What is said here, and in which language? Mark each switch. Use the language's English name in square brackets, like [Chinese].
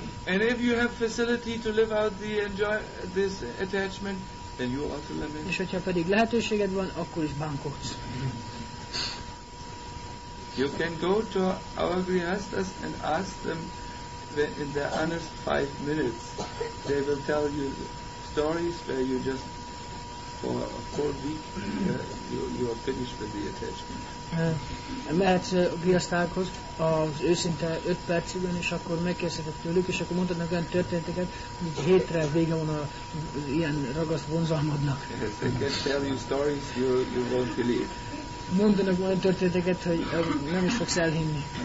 [English] And if you have facility to live out this attachment, then you also lament. [Hungarian] És hogyha pedig lehetőséged van, akkor is bánkódsz. [English] You can go to our grihasthas and ask them in their honest 5 minutes. They will tell you stories where you just for a full week you are finished with the attachment. [Hungarian] Mehetsz a grihasztákhoz az őszinte 5 percben, és akkor megkérdezheted tőlük, és akkor mondhatnak olyan történeteket, hogy hétre vége van az ilyen ragaszt vonzalmadnak. [English] They can tell you stories you won't believe. [Hungarian] Mondanak olyan történeteket, hogy nem is fogsz elhinni.